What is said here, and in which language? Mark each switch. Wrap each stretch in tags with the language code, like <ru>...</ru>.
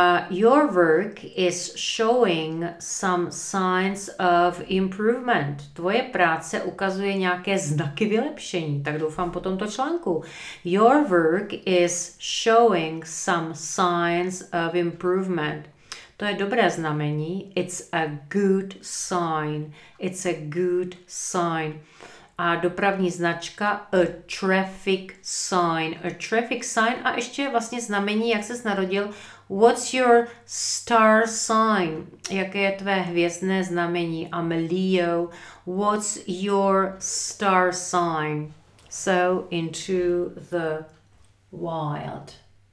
<en>Your work is showing some signs of improvement.</en> <cs>Tvoje práce ukazuje nějaké znaky vylepšení, tak doufám po tomto článku.</cs> <en>Your work is showing some signs of improvement.</en> <cs>To je dobré znamení.</cs> <en>It's a good sign. It's a good sign.</en> <cs>A dopravní značka,</cs> <en>a traffic sign. A traffic sign.</en> <cs>A ještě vlastně znamení, jak ses narodil.</cs> <en>What's your star sign?</en> <cs>Jaké je tvé hvězdné znamení?</cs> <en>I'm Leo. What's your star sign? So into the wild.</en>